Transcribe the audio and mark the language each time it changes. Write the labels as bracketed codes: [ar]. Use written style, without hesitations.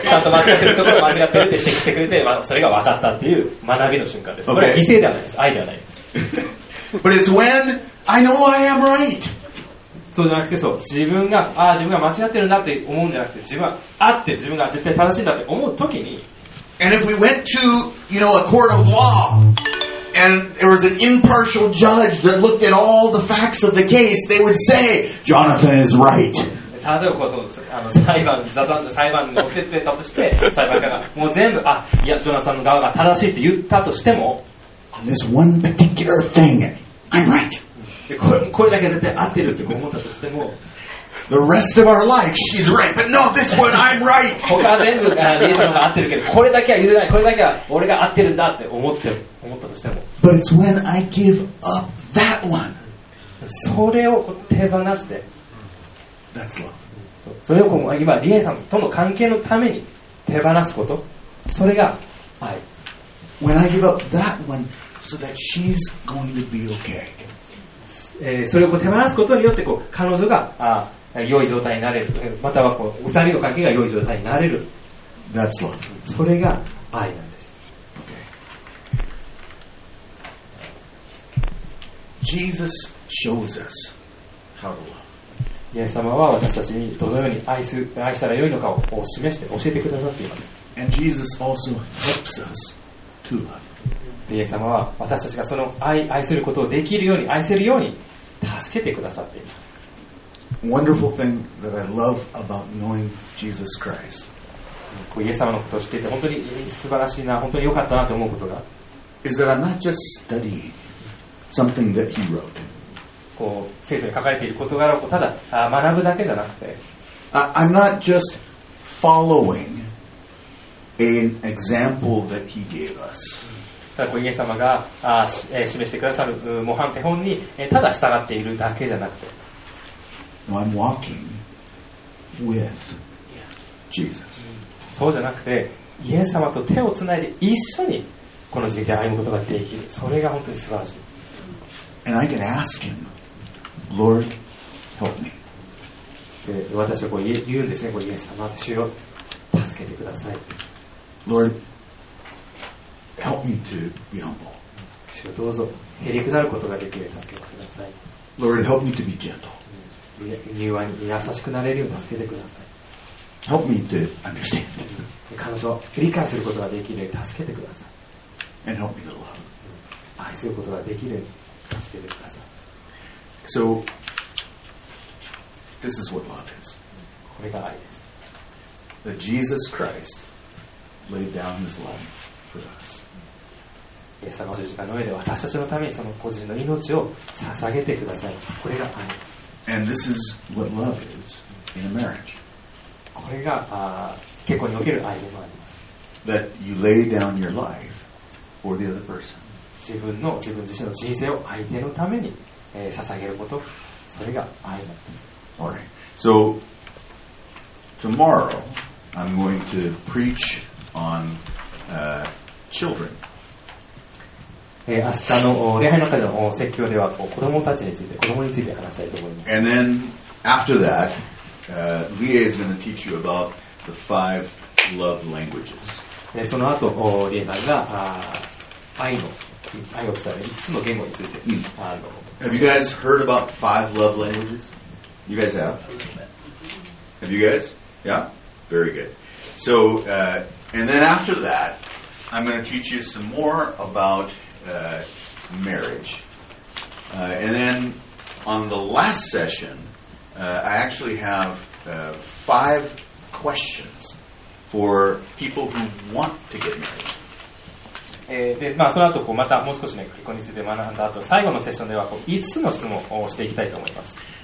[ja] ちゃんと間違ってるところを間違ってるって指摘してくれて、まあ、それが分かったっていう学びの瞬間です。これは犠牲ではないです。愛ではないです。 [en] But it's when I know I am right。 [ja] そうじゃなくて、そう、自分が、ああ自分が間違ってるんだって思うんじゃなくて、自分はあって自分が絶対正しいんだって思うときに、 [en] And if we went to, you know, a court of law and there was an impartial judge that looked at all the facts of the case, they would say Jonathan is right。 [ja] 例えばこう、あの裁判に乗ってたとして、裁判官がもう全部、あ、いやジョナサンの側が正しいって言ったとしても、 [en] On this one particular thing, I'm right. [ja] これだけ絶対合ってるって思ったとしても、 [en] The rest of our life, she's right, but no, this one, I'm right. [ja] 他全部が合ってるけど、これだけは譲らない、これだけは俺が合ってるんだって思ったとしても、 [en] But it's when I give up that one. [ja] それを手放して、 [en] That's love. [ja] それを今、リエさんとの関係のために手放すこと、それが愛。 [en] When I give up that one, so that she's going to be okay. [ja] それをこう手放すことによってこう彼女が良い状態になれる、またはこう二人の関係が良い状態になれる。 [en] That's love. [ja] それが愛なんです。 [en] Okay. Jesus shows us how to love. [ja] イエス様は私たちにどのように愛したら良いのかを示して教えてくださっています。 [en] And Jesus also helps us. [ja] イエス様は私たちがその愛することをできるように愛せるように助けてくださっています。 [en] Wonderful thing that I love about knowing Jesus Christ。 [ja] イエス様のことを知っていて本当に素晴らしいな、本当に良かったなと思うことが、 [en] Is that I'm not just studying something that he wrote。 [ja] こう聖書に書かれている事柄をただ学ぶだけじゃなくて、 [en] I'm not just followingAn example that he gave us。 [ja] ただこうイエス様が示してくださる模範手本にただ従っているだけじゃなくて、 [en] No, I'm walking with Jesus。 [ja] そうじゃなくてイエス様と手をつないで一緒にこの人生を歩むことができる、それが本当に素晴らしい。 [en] And I can ask him, Lord, help me。 [ja] で私はこう言うんですね、こうイエス様、主よ助けてください、 [en] Lord, help me to be humble。 [ja] 主よ、どうぞへりくだることができるように助けてください。 [en] Lord, help me to be gentle。 [ja] 柔和に優しくなれるように助けてください。 [en] Help me to understand。 [ja] 彼女を理解することができるように助けてください。 [en] And help me to love。 [ja] 愛することができるように助けてください。 [en] So, this is what love is。 [ja] これが愛です。 [en] That Jesus Christ laid down his life for us。 [ja] イエス様の十字架の上で私たちのためにその個人の命を捧げてくださいました。これが愛です。 [en] And this is what love is in a marriage。 [ja] これが結婚における愛でもあります。 [en] That you lay down your life for the other person。 [ja] 自分自身の人生を相手のために捧げること、それが愛なんです。 [en] Alright. So tomorrow I'm going to preach on children. [ja] 明日の礼拝の中での説教では子供たちについて、子供について話したいと思います。 [en] And then after that, Lea is going to teach you about the five love languages. [ja] その後、リエさんが愛の愛を伝える5つの言語について、 [en] Have you guys heard about five love languages? You guys have? Have you guys? Yeah? Very good. So, and then after that, I'm going to teach you some more about marriage. And then on the last session, I actually have five questions for people who want to get married. [ja] でまあ、その後こうまたもう少し、ね、結婚について学んだ後最後のセッションではこう5つの質問をしていきたいと思います。